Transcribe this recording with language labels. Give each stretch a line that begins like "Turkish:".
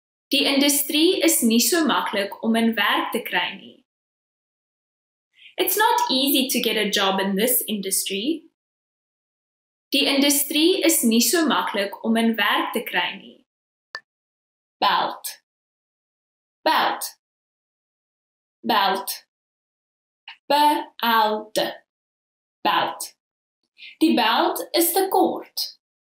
Afrikaans: Die industrie is nie so maklik om 'n werk te kry nie.
English: It's not easy to get a job in this industry.
Afrikaans: Die industrie is nie so maklik om 'n werk te kry nie.
English: Belt. Belt. Belt. Belt. Belt.
Afrikaans: Die belt is te kort.